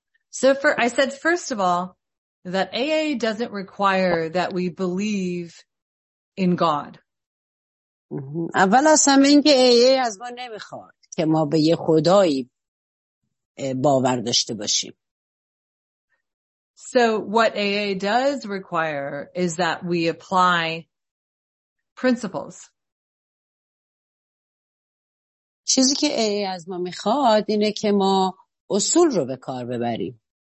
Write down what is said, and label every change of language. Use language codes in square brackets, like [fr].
[en] So I said, first of all, that AA doesn't require that we believe in God. [fa] اول از همه این که AA از ما نمیخواد که ما به یه خدایی باور داشته باشیم. [en] So what AA does require is that we apply principles. [fa] چیزی که AA از ما میخواد اینه که ما اصول رو به کار ببریم.